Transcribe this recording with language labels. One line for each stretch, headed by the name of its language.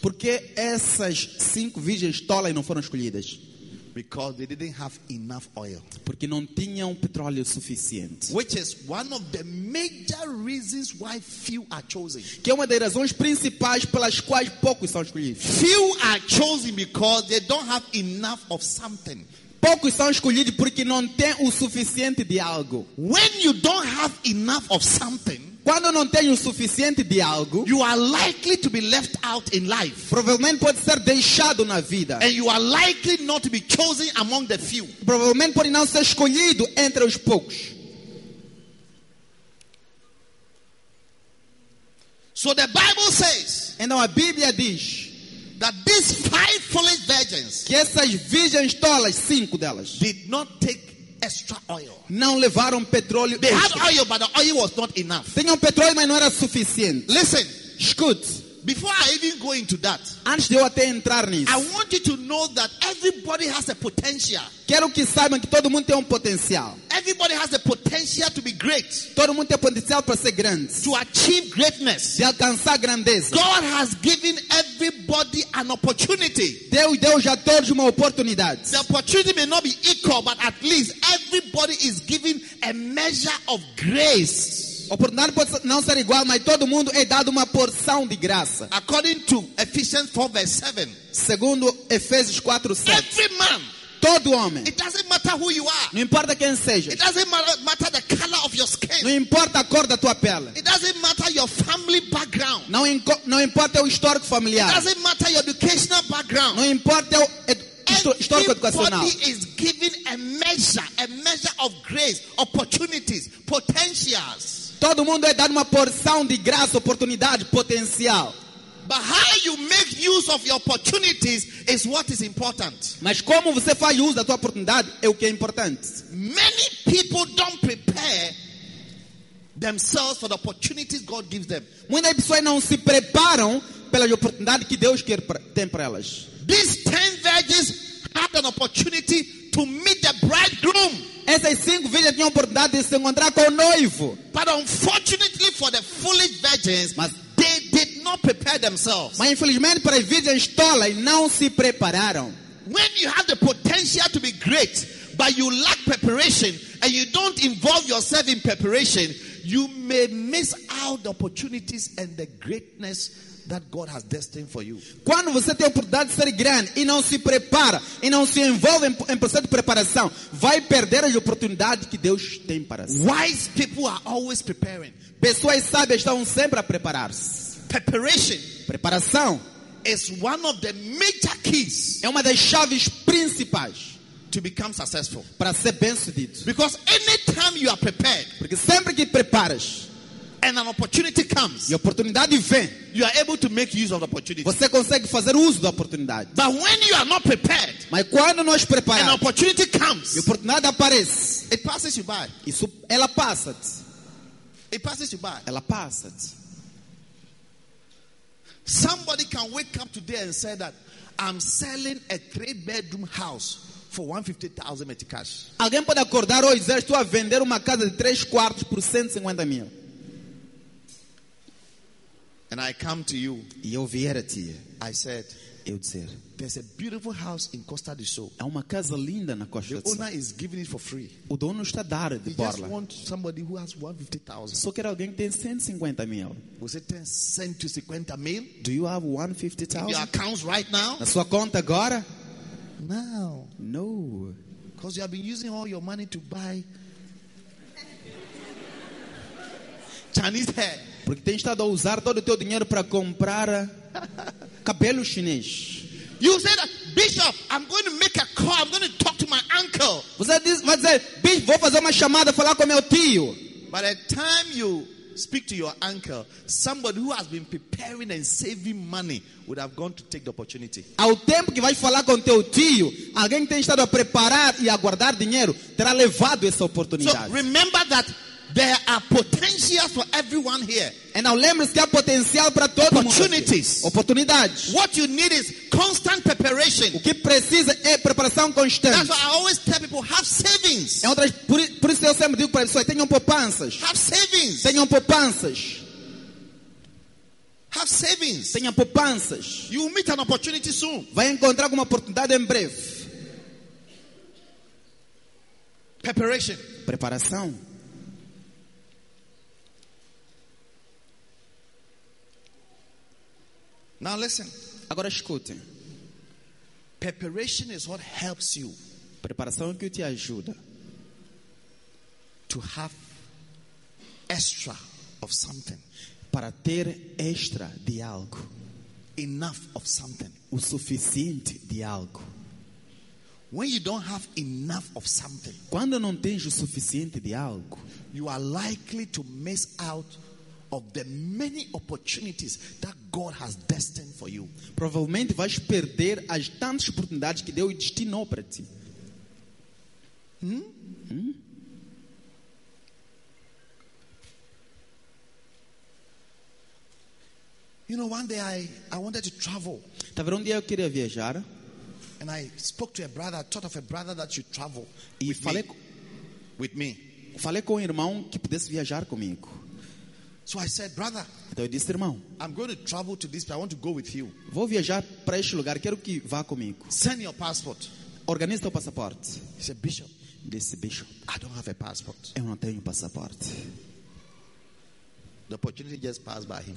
Portuguese: Porque essas cinco virgens tolas não foram escolhidas?
English: Because they didn't have enough oil.
Portuguese: Porque não tinham petróleo suficiente.
English: Which is one of the major reasons why few are chosen.
Portuguese: Que é uma das razões principais pelas quais poucos são escolhidos.
English: Few are chosen because they don't have enough of something.
Portuguese: Poucos são escolhidos porque não têm o suficiente de algo.
English: When you don't have enough of something,
Portuguese: Quando não tem o suficiente de algo,
English: you are likely to be left out in life.
Portuguese: Provavelmente pode ser deixado na vida.
English: And you are likely not to be chosen among the few.
Portuguese: Provavelmente pode não ser escolhido entre os poucos.
English: So the Bible says,
Portuguese: então a Bíblia diz,
English: that these five foolish virgins,
Portuguese: que essas virgens tolas, cinco delas,
English: did not take extra oil.
Portuguese: Não levaram petróleo.
English: They had oil, but the oil was not enough.
Portuguese: Tinham petróleo, mas não era suficiente.
English: Listen,
Portuguese: escute.
English: Before I even go into that,
Portuguese: antes de eu até entrar nisso,
English: I want you to know that everybody has a potential.
Portuguese: Quero que saibam que todo mundo tem potencial.
English: Everybody has the potential to be great.
Portuguese: Todo mundo tem potencial para ser grande.
English: To achieve greatness.
Portuguese: De alcançar grandeza.
English: God has given everybody an opportunity.
Portuguese: Deus já deu uma oportunidade.
English: The opportunity may not be equal, but at least everybody is given a measure of grace.
Portuguese: A oportunidade pode não ser igual, mas todo mundo é dado uma porção de graça.
English: According to Ephesians 4, verse 7.
Portuguese: Segundo Efésios 4, 7.
English: Every man,
Portuguese: todo homem.
English: It doesn't matter who you are.
Portuguese: Não importa quem seja.
English: It doesn't matter the color of your skin.
Portuguese: Não importa a cor da tua pele.
English: It doesn't matter your family background.
Portuguese: Não importa o histórico familiar.
English: It doesn't matter your educational background.
Portuguese: Não importa o histórico educacional.
English: Everybody is given a measure of grace, opportunities, potentials.
Portuguese: Todo mundo é dado uma porção de graça, oportunidade, potencial.
English: But how you make use of your opportunities is what is important.
Portuguese: Mas como você faz uso da tua oportunidade é o que é importante.
English: Many people don't prepare themselves for the opportunities God gives them.
Portuguese: Muitas pessoas não se preparam pela oportunidade que Deus quer tem para elas.
English: These 10 virgins had an opportunity to meet the bridegroom.
Portuguese: Essas cinco virgens tinham a oportunidade de se encontrar com o noivo.
English: But unfortunately for the foolish virgins,
Portuguese: mas
English: they did not prepare themselves.
Portuguese: Mas infelizmente para as virgens tolas, não se prepararam.
English: When you have the potential to be great, but you lack preparation and you don't involve yourself in preparation, you may miss out the opportunities and the greatness that God has destined for you.
Portuguese: Quando você tem a oportunidade de ser grande e não se prepara e não se envolve em processo de preparação, vai perder a oportunidade que Deus tem para você.
English: Wise people are always preparing.
Portuguese: Pessoas sábias estão sempre a preparar-se.
English: Preparation,
Portuguese: preparação,
English: is one of the major keys.
Portuguese: É uma das chaves principais
English: to become successful.
Portuguese: Para ser bem-sucedido.
English: Because anytime you are prepared,
Portuguese: porque sempre que preparas,
English: and an opportunity comes,
Portuguese: e a oportunidade vem,
English: you are able to make use of the opportunity.
Portuguese: Você consegue fazer uso da oportunidade.
English: But when you are not prepared,
Portuguese: mas quando não estás preparado,
English: an opportunity comes,
Portuguese: e a oportunidade aparece,
English: it passes you by.
Portuguese: Isso, ela passa.
English: It passes you by.
Portuguese: Ela passa.
English: Somebody can wake up today and say that I'm selling a 3-bedroom house for 150,000 metric cash.
Portuguese: Alguém pode acordar hoje e dizer, estou a vender uma casa de 3 quartos por 150,000.
English: And I come to you.
Portuguese: E eu vier a ti.
English: I said,
Portuguese: eu dizer,
English: there's a beautiful house in Costa do Sol.
Portuguese: É uma casa linda na Costa do Sol.
English: The owner is giving it for free.
Portuguese: O dono está a dar de borla.
English: He just wants somebody who has 150,000.
Portuguese: Só quer alguém que tem 150,000. Você tem 150,000?
English: Do you have 150,000? Your accounts right now?
Portuguese: Na sua conta agora?
English: No. No. Because you have been using all your money to buy Chinese hair.
Portuguese: Porque tem estado a usar todo o teu dinheiro para comprar cabelo chinês.
English: You said, Bishop, I'm going to make a call. I'm going to talk to my uncle.
Portuguese: Você diz, vai dizer, Bishop, vou fazer uma chamada, falar com meu tio.
English: By the time you speak to your uncle, somebody who has been preparing and saving money would have gone to take the opportunity.
Portuguese: Ao tempo que vai falar com teu tio, alguém que tem estado a preparar e a guardar dinheiro terá levado essa oportunidade.
English: So remember that. There are potentials for everyone here. And now
Portuguese: lembre-se que há potencial para todo mundo.
English: Opportunities.
Portuguese: Oportunidades.
English: What you need is constant preparation.
Portuguese: O que precisa é preparação constante.
English: That's why I always tell people, have savings.
Portuguese: É outras, por isso eu sempre digo para as pessoas, tenham poupanças.
English: Have savings.
Portuguese: Tenham poupanças.
English: Have savings.
Portuguese: Tenham poupanças.
English: You will meet an opportunity soon.
Portuguese: Vai encontrar alguma oportunidade em breve.
English: Preparation.
Portuguese: Preparação.
English: Now listen.
Portuguese: Agora escute.
English: Preparation is what helps you.
Portuguese: Preparação que te ajuda
English: to have extra of something.
Portuguese: Para ter extra de algo.
English: Enough of something.
Portuguese: O suficiente de algo.
English: When you don't have enough of something,
Portuguese: quando não tens o suficiente de algo,
English: you are likely to miss out of the many opportunities that God has destined for you.
Portuguese: Provavelmente vais perder as tantas oportunidades que Deus destinou para ti.
English: You know, one day I wanted to travel.
Portuguese: Tava um dia eu queria viajar.
English: And I spoke to a brother, thought of a brother that should travel with me.
Portuguese: Falei com um irmão que pudesse viajar comigo.
English: So I said, brother.
Portuguese: Então eu disse, irmão,
English: I'm going to travel to this place. I want to go with you.
Portuguese: Vou viajar para este lugar. Quero que vá comigo.
English: Send your passport.
Portuguese: Organize teu passaporte.
English: He said, Bishop.
Portuguese: Disse, Bishop.
English: I don't have a passport.
Portuguese: Eu não tenho passaporte.
English: The opportunity just passed by him.